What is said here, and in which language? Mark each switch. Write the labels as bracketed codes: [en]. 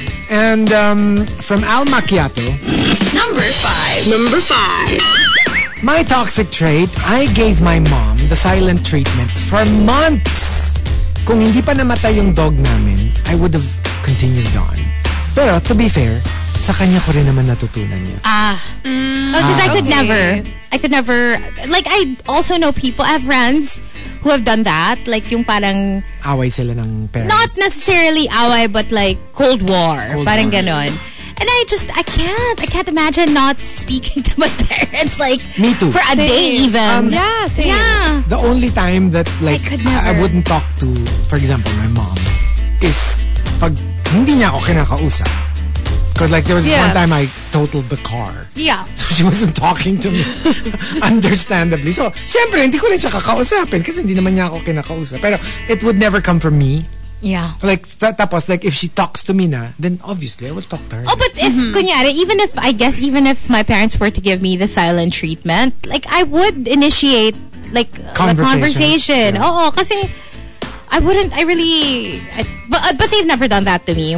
[en] And from Al Macchiato. Number five. My toxic trait, I gave my mom the silent treatment for months. [tl] Kung hindi pa namatay yung dog namin, [en] I would have continued on. [tl] Pero, [en] to be fair, [tl] sa kanya ko rin naman natutunan niya. [en] Because I could never. I could never. Like, I also know people, I have friends who have done that. [tl] Like, yung parang... Away sila ng parents. [en] Not necessarily away, but like, cold war. Cold parang war. Ganun. And I can't imagine not speaking to my parents, like... Me too. For a same. Day, even. Yeah, same. Yeah. The only time that, like, I wouldn't talk to, for example, my mom, is [tl] pag hindi niya ako kinakausap. [en] Because, like, there was this one time I totaled the car. Yeah. So, she wasn't talking to me, understandably. [tl] So, syempre, hindi ko rin siya kakausapin kasi hindi naman niya ako kinakausap. [en] Pero, it would never come from me. Yeah. Like, tapos, like, if she talks to me na, then obviously, I will talk to her. Oh, but if, kunyari, even if, I guess, even if my parents were to give me the silent treatment, like, I would initiate, like, a conversation. Yeah. Oh, kasi, I wouldn't, I really, but they've never done that to me.